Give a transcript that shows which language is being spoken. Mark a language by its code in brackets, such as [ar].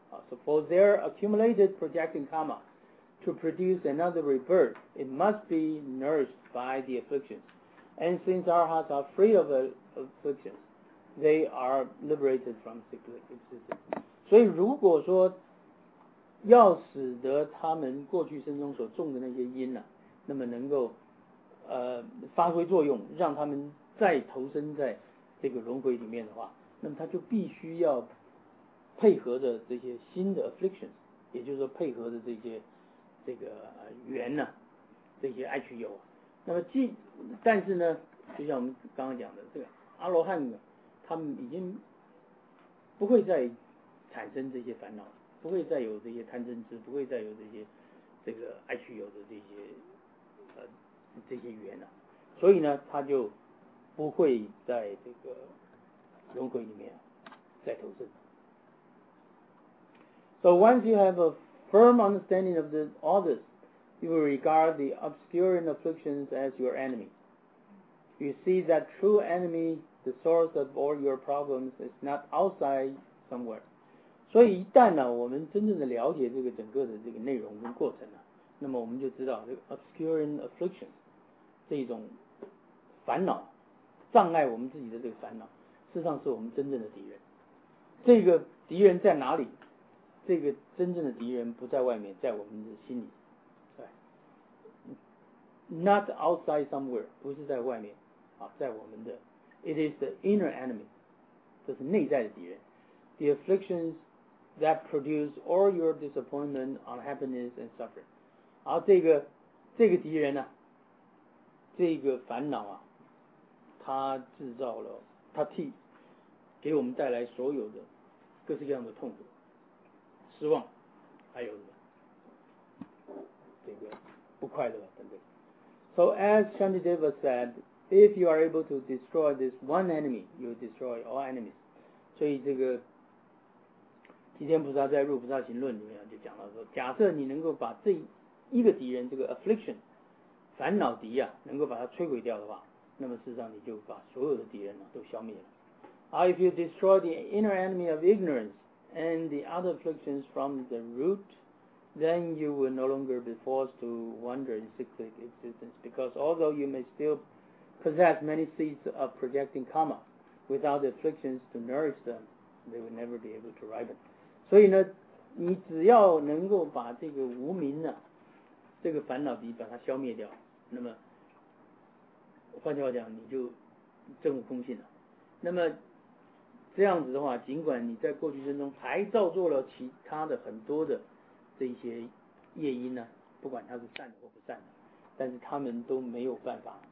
[en] So for their accumulated projecting karma to produce another rebirth, it must be nourished by the afflictions. And since our hearts are free of afflictions. They are liberated from cyclic existence. [zh] 所以如果说要使得他们过去生中所种的那些因、啊、那么能够发挥作用，让他们再投身在这个轮回里面的话，那么他就必须要配合着这些新的 afflictions， 也就是说配合着这些这个缘、啊、这些爱取有。那么但是呢，就像我们刚刚讲的，这个阿罗汉呢他们已经不会再产生这些烦恼，不会再有这些贪嗔痴，不会再有这些这个爱取有的这些这些缘了、啊，所以呢，他就不会在这个轮回里面再投生。 [en] So once you have a firm understanding of this, all this, you will regard the obscure afflictions as your enemy. You see that true enemy. The source of all your problems is not outside somewhere. [zh] 所以一旦呢、啊，我们真正的了解这个整个的这个内容跟过程呢、啊，那么我们就知道这个 obscuring affliction 这一种烦恼，障碍我们自己的这个烦恼，事实上是我们真正的敌人。这个敌人在哪里？这个真正的敌人不在外面，在我们的心里。对 ， [en] not outside somewhere， [zh] 不是在外面，啊，在我们的。 [en] It is the inner enemy. [zh] 这是内在的敌人。 [en] The afflictions that produce all your disappointment, unhappiness, and suffering. [zh] 而这个敌人呢、啊，这个烦恼啊，他制造了，他替给我们带来所有的各式各样的痛苦、失望，还有这个不快乐等等。 [en] So as Shantideva said. If you are able to destroy this one enemy, you destroy all enemies. [zh] 所以这个提天菩萨在入菩萨行论里面就讲到说，假设你能够把这一个敌人，这个 affliction 烦恼敌啊，能够把它摧毁掉的话，那么事实上你就把所有的敌人、啊、都消灭了。 [en] If you destroy the inner enemy of ignorance and the other afflictions from the root, then you will no longer be forced to wander in cyclic existence. Because although you may stillpossess many seeds of projecting karma. Without the afflictions to nourish them, they will never be able to ripen. [zh] 所以呢，你只要能够把这个无明呢、啊，这个烦恼敌把它消灭掉，那么换句话讲，你就证悟空性了。那么这样子的话，尽管你在过去生中还造作了其他的很多的这些业因呢、啊，不管它是善的或不善的，但是他们都没有办法。